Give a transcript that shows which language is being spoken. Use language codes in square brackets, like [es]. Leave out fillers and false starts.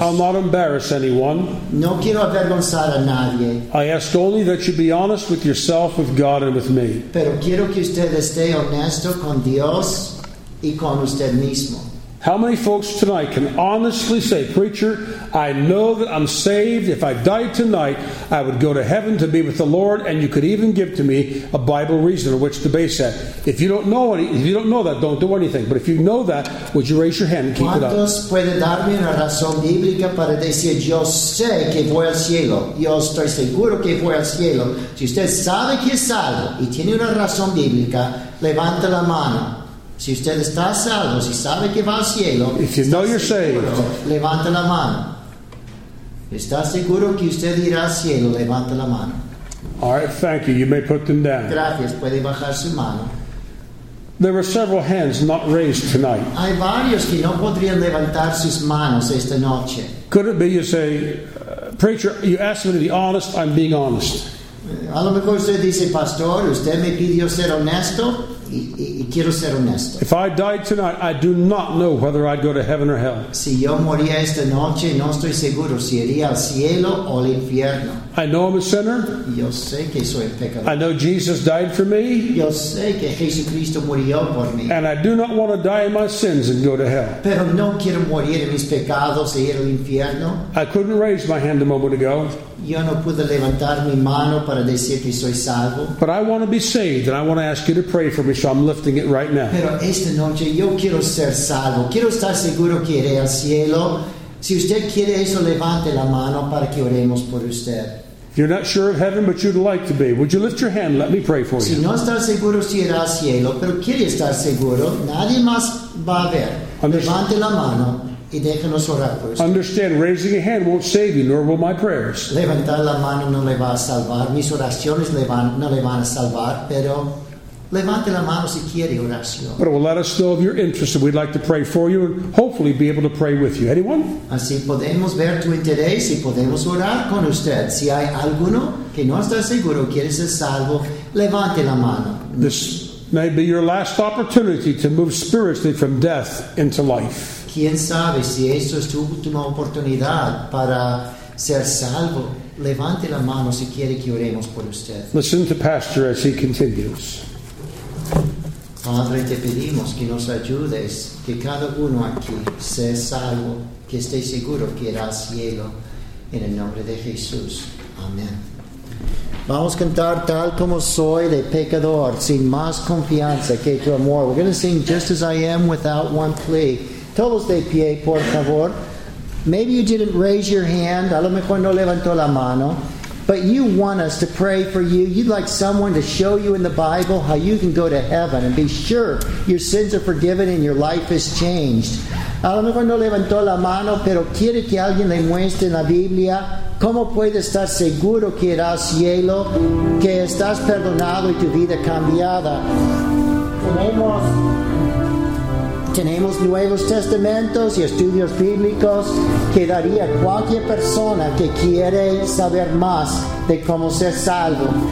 [en] I'll not embarrass anyone. [es] No quiero avergonzar a nadie. [en] I ask only that you be honest with yourself, with God, and with me. [es] Pero quiero que usted esté honesto con Dios y con usted mismo. [en] How many folks tonight can honestly say, preacher, I know that I'm saved. If I died tonight, I would go to heaven to be with the Lord, and you could even give to me a Bible reason on which to base that. If you don't know any, if you don't know that, don't do anything. But if you know that, would you raise your hand and keep it up? [es] ¿Cuántos puede darme una razón bíblica para decir, yo sé que voy al cielo? Yo estoy seguro que voy al cielo. Si usted sabe que es salvo y tiene una razón bíblica, levante la mano. Si usted está salvo, si sabe que va al cielo, [en] if you know you're [es] seguro, [en] saved, [es] levanta la mano. ¿Está seguro que usted irá al cielo? Levanta la mano. [en] All right, thank you. You may put them down. [es] Gracias. Puede bajar su mano. [en] There were several hands not raised tonight. [es] Hay varios que no podrían levantar sus manos esta noche. [en] Could it be you say, preacher, you asked me to be honest, I'm being honest. [es] A lo mejor usted dice, pastor, usted me pidió ser honesto. Y quiero ser honesto. [en] If I died tonight, I do not know whether I'd go to heaven or hell. [es] Si yo moría esta noche, no estoy seguro si iría al cielo o al infierno. [en] I know I'm a sinner. [es] Yo sé que soy pecador. [en] I know Jesus died for me. [es] Yo sé que Jesucristo murió por mí. [en] And I do not want to die in my sins and go to hell. [es] Pero no quiero morir en mis pecados e ir al infierno. [en] I couldn't raise my hand a moment ago. [es] Yo no pude levantar mi mano para decir que soy salvo. [en] But I want to be saved, and I want to ask you to pray for me, so I'm lifting it right now. [es] Pero esta noche yo quiero ser salvo. Quiero estar seguro que iré al cielo. Si usted quiere eso, levante la mano para que oremos por usted. [en] You're not sure of heaven, but you'd like to be. Would you lift your hand? Let me pray for you. [es] Si no estás seguro si irá al cielo, pero quiere estar seguro, nadie más va a ver. Levante la mano y déjenos orar por usted. [en] Understand, raising a hand won't save you, nor will my prayers. [es] Levantar la mano no le va a salvar. Mis oraciones no le van a salvar, pero levante la mano si quiere oración. [en] But it will let us know of your interest, and we'd like to pray for you and hopefully be able to pray with you. Anyone? [es] Así podemos ver tu interés y podemos orar con usted. Si hay alguno que no está seguro quiere ser salvo, levante la mano. [en] This may be your last opportunity to move spiritually from death into life. [es] Quién sabe si esto es tu última oportunidad para ser salvo. Levante la mano si quiere que oremos por usted. [en] Listen to Pastor as he continues. [es] Padre, te pedimos que nos ayudes, que cada uno aquí sea salvo, que esté seguro que irá al cielo, en el nombre de Jesús. Amén. Vamos a cantar tal como soy de pecador, sin más confianza que tu amor. [en] We're going to sing Just As I Am without one plea. [es] Todos de pie, por favor. [en] Maybe you didn't raise your hand, [es] a lo mejor no levantó la mano. [en] But you want us to pray for you. You'd like someone to show you in the Bible how you can go to heaven and be sure your sins are forgiven and your life is changed. [es] A lo mejor no levantó la mano, pero quiere que alguien le muestre en la Biblia cómo puede estar seguro que irá al cielo, que estás perdonado y tu vida cambiada. Tenemos Nuevos Testamentos y estudios bíblicos que daría cualquier persona que quiere saber más de cómo ser salvo.